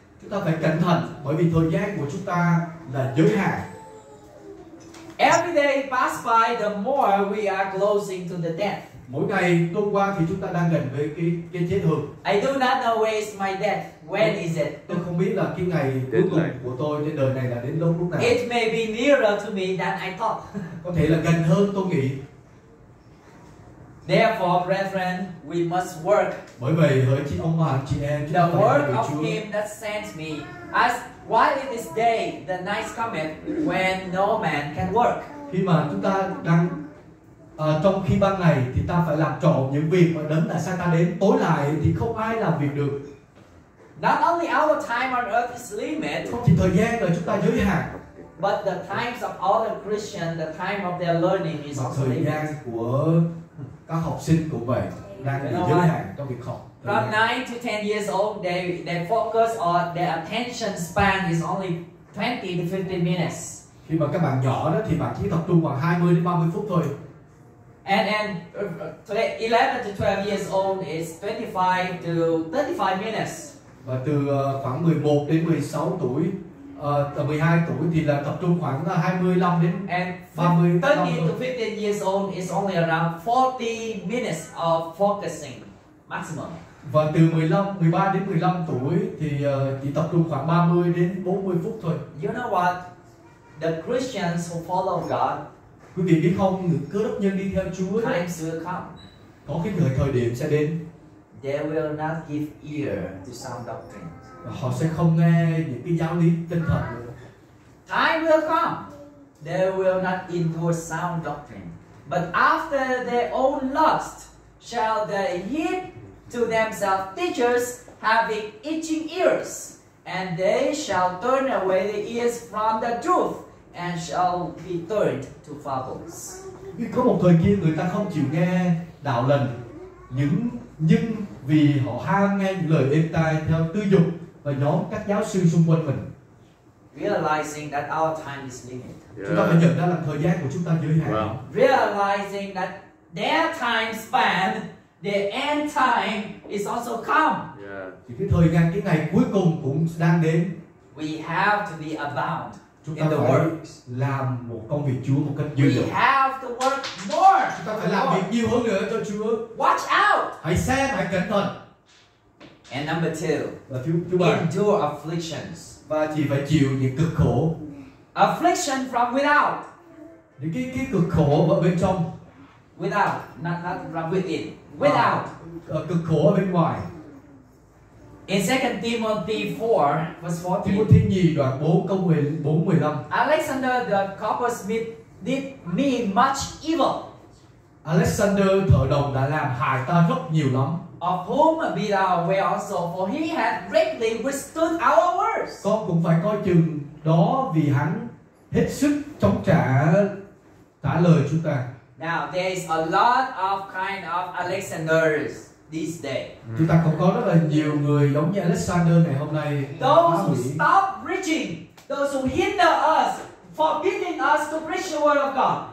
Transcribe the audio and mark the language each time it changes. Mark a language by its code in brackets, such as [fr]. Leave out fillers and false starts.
[vi] Chúng ta phải cẩn thận, bởi vì thời gian của chúng ta là giới hạn. [en] Every day pass by, the more we are closing to the death. [vi] Mỗi ngày trôi qua thì chúng ta đang gần với cái chết hơn. [en] I do not know where is my death. When is it? [vi] Tôi không biết là cái ngày cuối cùng của tôi trên đời này là đến lúc nào. [en] It may be nearer to me than I thought. [vi] Có thể là gần hơn tôi nghĩ. [en] Therefore, brethren, we must work. [vi] Bởi vậy, hỡi chị ông bà, chị em, [en] the work of Him that sent me. As while it is day, the night cometh when no man can work. [vi] Khi mà chúng ta đang trong khi ban ngày thì ta phải làm trọn những việc mà đấng đã sai ta đến, tối lại thì không ai làm việc được. [en] Not only our time on earth is limited, [vi] không chỉ thời gian là chúng ta giới hạn, [en] but the times of all the Christians, the time of their learning is limited. [vi] Thời gian của các học sinh cũng vậy, đang bị giới hạn trong việc học. [en] From 9 to 10 years old, they focus on their attention span is only 20 to 15 minutes. [vi] Khi mà các bạn nhỏ đó thì bạn chỉ tập trung khoảng 20 đến 30 phút thôi. [en] And 11 to 12 years old is 25 to 35 minutes. [vi] Và từ khoảng 11 đến 16 tuổi, 12 tuổi thì là tập trung khoảng 25 đến 30. [en] 13 to 15 years old is only around 40 minutes of focusing maximum. [vi] Và từ 13 đến 15 tuổi thì chỉ tập trung khoảng 30 đến 40 phút thôi. [en] You know what? The Christians who follow God, [vi] quý vị biết không, người Cơ Đốc nhân đi theo Chúa đó, có cái thời điểm sẽ đến, [en] they will not give ear to sound doctrine. [vi] Và họ sẽ không nghe những cái giáo lý tinh thần nữa. [en] Time will come, they will not endure sound doctrine. But after their own lust, shall they heap to themselves teachers having itching ears, and they shall turn away their ears from the truth, and shall be turned to fables. [vi] Có một thời kia người ta không chịu nghe đạo lần, nhưng vì họ ham nghe những lời êm tai theo tư dục và nhóm các giáo sư xung quanh mình. [en] Realizing that our time is limited. Yeah. [vi] Chúng ta phải nhận ra là thời gian của chúng ta giới hạn. [en] Wow. Realizing that their time span, their end time is also come. [vi] Yeah. Thì cái thời gian, cái ngày cuối cùng cũng đang đến. [en] We have to be abound. [vi] Chúng ta phải [en] works. [vi] Làm một công việc Chúa một cách dữ dội. [en] We have to work more. [vi] Chúng ta phải làm việc nhiều hơn nữa cho Chúa. [en] Watch out. [vi] Hãy xem, hãy cẩn thận. [en] And number two, [vi] và thứ ba, [en] endure afflictions. [vi] Và chị phải chịu những cực khổ. [en] Affliction from without. [vi] Những cái cực khổ ở bên trong. [en] Without, not from within. Without. [vi] Cực khổ ở bên ngoài. [en] In 2 Timothy 4, verse 14. [vi] Timothy 2, đoạn 4, câu 14-15. [en] Alexander the coppersmith did me much evil. [vi] Alexander thợ đồng đã làm hại ta rất nhiều lắm. [en] Of whom be thou aware also, for he had greatly withstood our words. [vi] Con cũng phải coi chừng đó vì hắn hết sức chống trả lời chúng ta. [en] Now there is a lot of kind of Alexanders. This day. [vi] Chúng ta cũng có rất là nhiều người giống như Alexander ngày hôm nay. [en] Those who stop preaching, those who hinder us, forbidding us to preach the word of God.